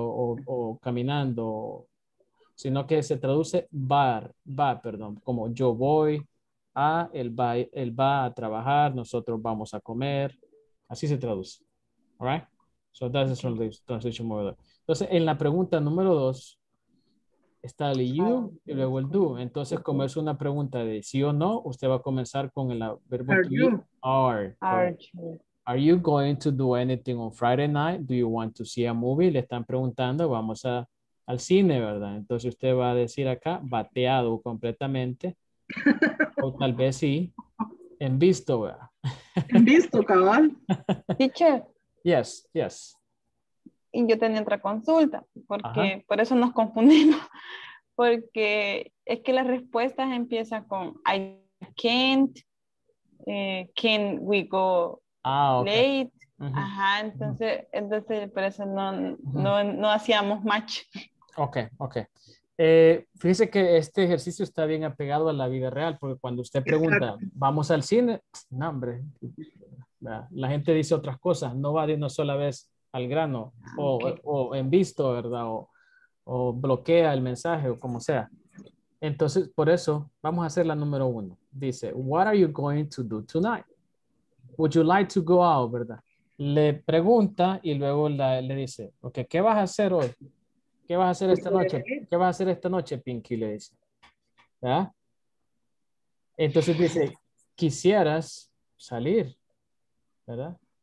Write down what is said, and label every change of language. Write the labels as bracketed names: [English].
[Spanish] O caminando, sino que se traduce va, como yo voy a, él va a trabajar, nosotros vamos a comer, así se traduce, [English] all right? So that's the translation more or less. [Spanish] Entonces, en la pregunta número dos, está el you y luego el do. Entonces, como es una pregunta de sí o no, usted va a comenzar con el verbo [English] are to you. Are you going to do anything on Friday night? Do you want to see a movie? [Spanish] Le están preguntando, vamos a al cine, ¿verdad? Entonces usted va a decir acá, bateado completamente. O tal vez sí, en visto, ¿verdad? En visto, cabal. [English] Teacher. Yes, yes. [Spanish] Y yo tenía otra consulta, porque ajá, por eso nos confundimos. Porque es que las respuestas empiezan con, [English] I can't, can we go late? [Spanish] Uh-huh. Ajá, entonces por eso no hacíamos match. [English] Ok. [Spanish] Fíjese que este ejercicio está bien apegado a la vida real, porque cuando usted pregunta, ¿vamos al cine? No, hombre. La gente dice otras cosas, no va de una sola vez al grano, o en visto, ¿verdad? O bloquea el mensaje, o como sea. Entonces, por eso, vamos a hacer la número uno. [English] Dice, what are you going to do tonight? Would you like to go out, ¿verdad? [Spanish] Le pregunta y luego le dice, ok, ¿qué vas a hacer hoy? ¿Qué vas a hacer esta noche? ¿Qué vas a hacer esta noche, Pinky? Le dice. ¿Ya? Entonces dice, quisieras salir, ¿verdad?